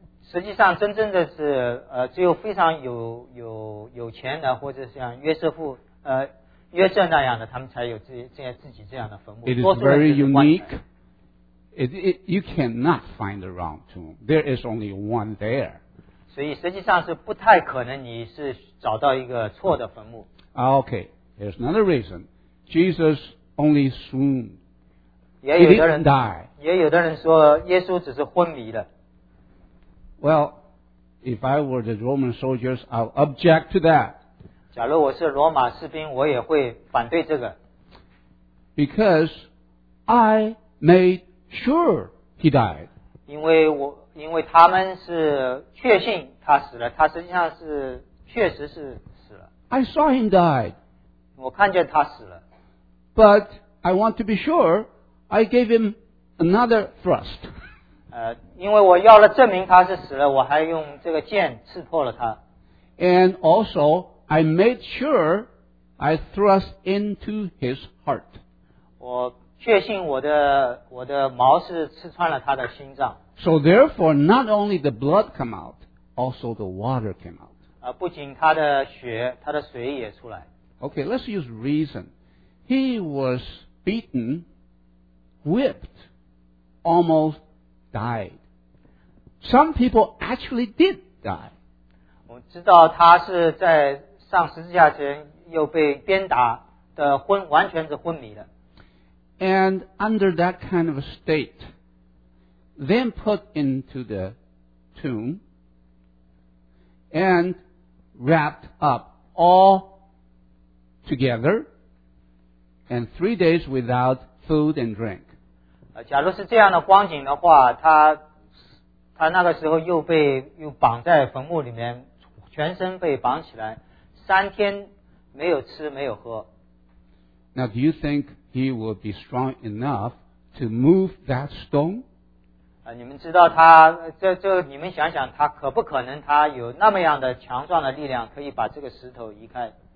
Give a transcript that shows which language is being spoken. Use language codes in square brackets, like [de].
[zh] 实际上真正的是只有非常有钱的或者像约瑟夫约瑟那样的他们才有自己这样的坟墓。 [en] It is very unique. You cannot find the wrong tomb. There is only one there. [zh] 所以实际上是不太可能你是找到一个错的坟墓。 [en] Okay, there's another reason. Jesus only swooned. [zh] 也有的人 [en] He didn't die. [zh] 也有的人说耶稣只是昏迷的。 [en] Well, if I were the Roman soldiers, I'll object to that. [zh] 假如我是罗马士兵，我也会反对这个。 [en] Because I made sure he died. [zh] 因为他们是确信他死了，他实际上是确实是死了。 [en] I saw him die. [zh] 我看见他死了。 [en] But I want to be sure, I gave him another thrust. [zh] 因为我要了证明他是死了，我还用这个剑刺破了他。 [en] And also, I made sure I thrust into his heart. [zh] 我确信我的矛是刺穿了他的心脏。 [en] So therefore, not only the blood came out, also the water came out. [zh] 不仅他的血，他的水也出来。 [en] Okay, let's use reason. He was beaten, whipped, almost died. Some people actually did die. [zh] 我知道他是在上十字架前又被鞭打的完全是昏迷的。 [en] And under that kind of state,then put into the tomb and wrapped up all together and 3 days without food and drink. [zh] 假如是这样的光景的话，他那个时候又绑在坟墓里面，全身被绑起来，三天没有吃没有喝。 [en] Now do you think he will be strong enough to move that stone? [zh] 你们知道他你们想想他可不可能他有那么样的强壮的力量可以把这个石头移开